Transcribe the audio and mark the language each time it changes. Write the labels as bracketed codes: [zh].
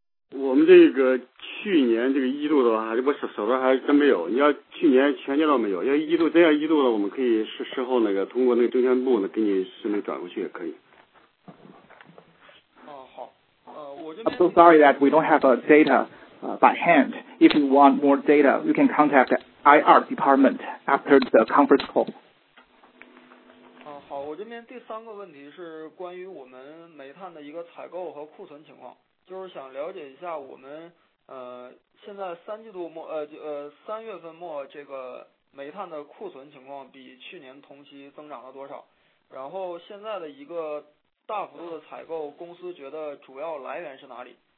[zh] 我们这个去年这个一度的话，这不手头还真没有。你要去年全年都没有，要一度这样一度的，我们可以事后那个通过那个证券部呢给你顺便转过去也可以。好，我这边。 [en] I'm so sorry that we don't have a data by hand. If you want more data, you can contact. IR department after the conference call. [zh] 好，我这边第三个问题是关于我们煤炭的一个采购和库存情况，就是想了解一下我们现在三季度末三月份末这个煤炭的库存情况比去年同期增长了多少，然后现在的一个大幅度的采购，公司觉得主要来源是哪里？